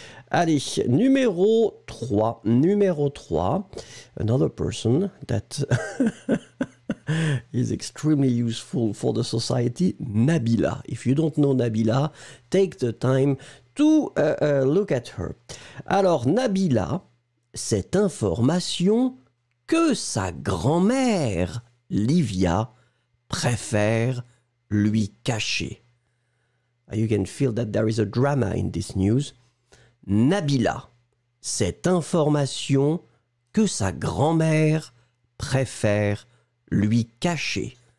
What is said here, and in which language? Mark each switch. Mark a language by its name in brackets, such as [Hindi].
[French] Allez, numéro 3, numéro 3, [English] another person that is extremely useful for the society, Nabila. If you don't know Nabila, take the time to look at her. [French] Alors, Nabila, cette information que sa grand-mère, Livia, préfère lui cacher. [English] You can feel that there is a drama in this news. [French] Nabila, cette information que sa grand-mère préfère lui cacher.